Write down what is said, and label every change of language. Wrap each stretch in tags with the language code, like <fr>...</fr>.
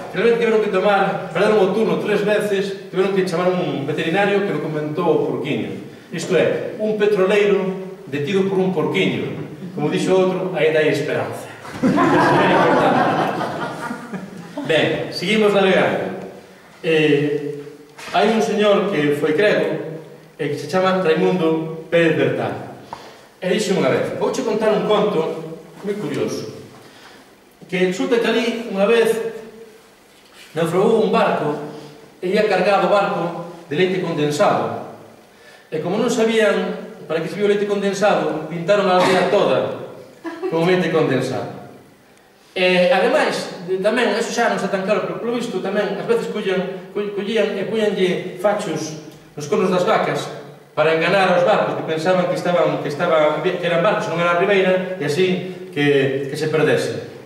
<es>tres veces tuvieron que tomar, para dar un turno tres veces, tuvieron que llamar a un veterinario que lo comentó porquiño.</es> <gl>Isto é, un petroleiro detido por un porquiño. Como dixo outro, ainda hai esperanza. Iso é importante. Ben, seguimos navegando. Hai un señor que foi crego e que se chama Raimundo Pérez Bertal. E dixo unha vez, vouche contar un conto moi curioso. Que resulta que ali, unha vez, naufragou un barco e ia cargado o barco de leite condensado. E como non sabían para que servía o leite condensado, pintaron a aldea toda con leite condensado. E, ademais, tamén, eso xa non está tan claro, pero polo visto, tamén, ás veces collían e puñanlle fachos nos conos das vacas para enganar aos barcos que pensaban que eran barcos, non era a ribeira, e así que se perdese.</gl>